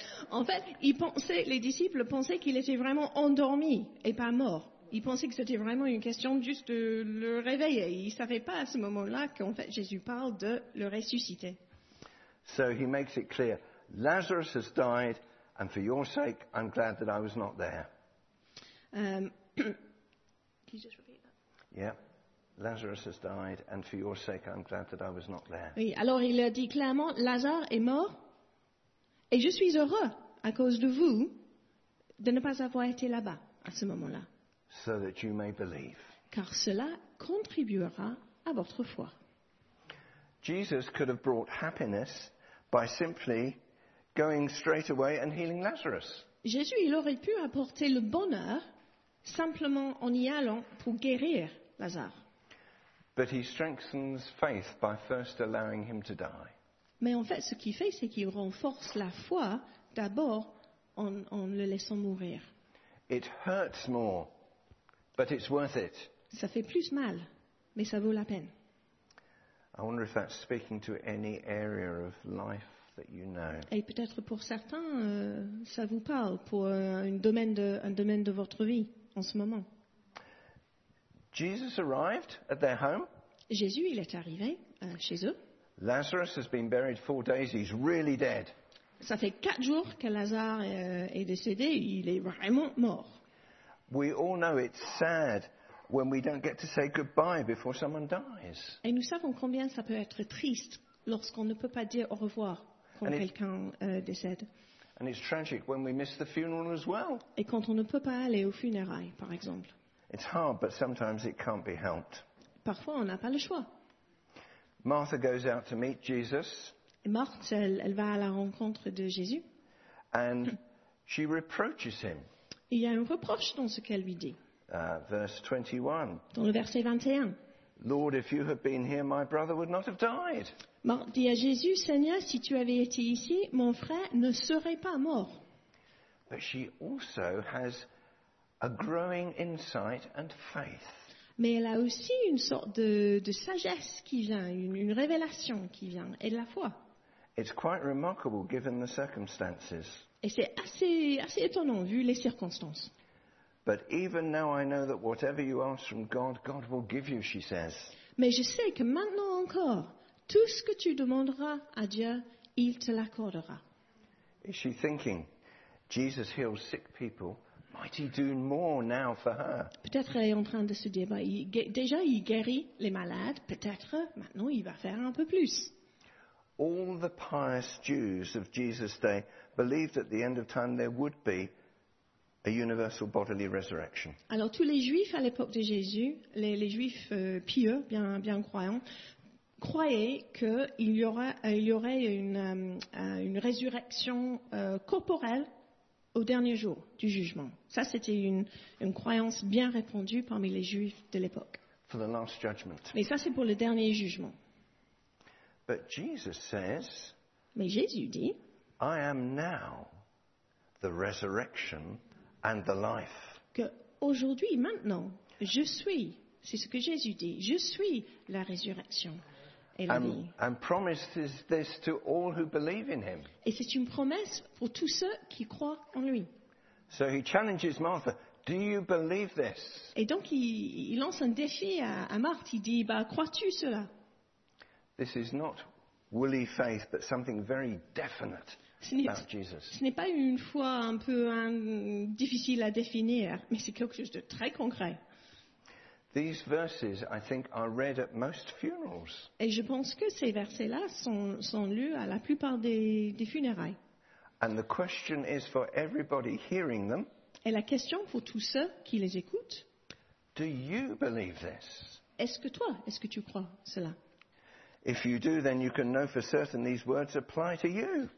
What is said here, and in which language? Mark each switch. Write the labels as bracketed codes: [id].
[fr] En fait, les disciples pensaient qu'il était vraiment endormi et pas mort. Ils pensaient que c'était vraiment une question juste de le réveiller. Ils ne savaient pas à ce moment-là qu'en fait Jésus parle de le ressusciter. [en] So he makes it clear, Lazarus has died, and for your sake, I'm glad that I was not there. Can you just repeat that? Yeah. Lazarus has died, and for your sake, I'm glad that I was not there. [fr] Oui, alors il a dit clairement, Lazare est mort. Et je suis heureux à cause de vous de ne pas avoir été là-bas à ce moment-là. [en] So that you may believe. [fr] Car cela contribuera à votre foi. [en] Jesus could have brought happiness by simply going straight away and healing Lazarus. [fr] Jésus, il aurait pu apporter le bonheur simplement en y allant pour guérir Lazare. [en] But he strengthens faith by first allowing him to die. [fr] Mais en fait, ce qu'il fait, c'est qu'il renforce la foi d'abord en le laissant mourir. [en] It hurts more, but it's worth it. [fr] Ça fait plus mal, mais ça vaut la peine. [en] I wonder if that's speaking to any area of life that you know. [fr] Et peut-être pour certains, ça vous parle pour un domaine de votre vie en ce moment. [en] Jesus arrived at their home. [fr] Jésus, il est arrivé chez eux. [en] Lazarus has been buried 4 days. He's really dead. [fr] Ça fait 4 jours que Lazare est décédé. Il est vraiment mort. [en] We all know it's sad when we don't get to say goodbye before someone dies. [fr] Et nous savons combien ça peut être triste lorsqu'on ne peut pas dire au revoir quand quelqu'un décède. [en] And it's tragic when we miss the funeral as well. [fr] Et quand on ne peut pas aller aux funérailles, par exemple. [en] It's hard, but sometimes it can't be helped. [fr] Parfois, on n'a pas le choix. [en] Martha goes out to meet Jesus. [fr] Marthe, elle va à la rencontre de Jésus. [en] And she reproaches him. [fr] Il y a un reproche dans ce qu'elle lui dit. [en] Verse 21. [fr] Dans le verset 21. [en] Lord, if you had been here, my brother would not have died. [fr] Dit à Jésus, Seigneur, si tu avais été ici, mon frère ne serait pas mort. [en] But she also has a growing insight and faith. [fr] Mais elle a aussi une sorte de sagesse qui vient, une révélation qui vient, et de la foi. [en] It's quite remarkable given the circumstances. [fr] Et c'est assez étonnant vu les circonstances. [en] But even now I know that whatever you ask from God, God will give you, she says. [fr] Mais je sais que maintenant encore, tout ce que tu demanderas à Dieu, il te l'accordera. [en] Is she thinking, Jesus heals sick people, might he do more now for her? [fr] Peut-être elle est en train de se dire, déjà il guérit les malades, peut-être maintenant il va faire un peu plus. [en] All the pious Jews of Jesus' day believed at the end of time there would be a universal bodily resurrection. [fr] Alors tous les Juifs à l'époque de Jésus, les Juifs pieux, bien croyants, croyaient qu'il y aurait une résurrection corporelle au dernier jour du jugement. Ça, c'était une croyance bien répandue parmi les Juifs de l'époque. [en] For the last judgment. [fr] Mais ça, c'est pour le dernier jugement. [en] But Jesus says, [fr] mais Jésus dit, [en] I am now the resurrection and the life. [fr] Que aujourd'hui, maintenant, je suis, c'est ce que Jésus dit, je suis la résurrection et la vie. [en] And promises this to all who believe in him. [fr] Et c'est une promesse pour tous ceux qui croient en lui. [en] So he challenges Martha, do you believe this? [fr] Et donc il lance un défi à Marthe, il dit, crois-tu cela? [en] This is not woolly faith, but something very definite about Jesus. [fr] Ce n'est pas une foi un peu difficile à définir, mais c'est quelque chose de très concret. [en] These verses, I think, are read at most funerals. [fr] Et je pense que ces versets-là sont lus à la plupart des funérailles. [en] And the question is for everybody hearing them. [fr] Et la question pour tous ceux qui les écoutent. [en] Do you believe this? [fr] Est-ce que tu crois cela? [en] If you do, then you can know for certain these words apply to you.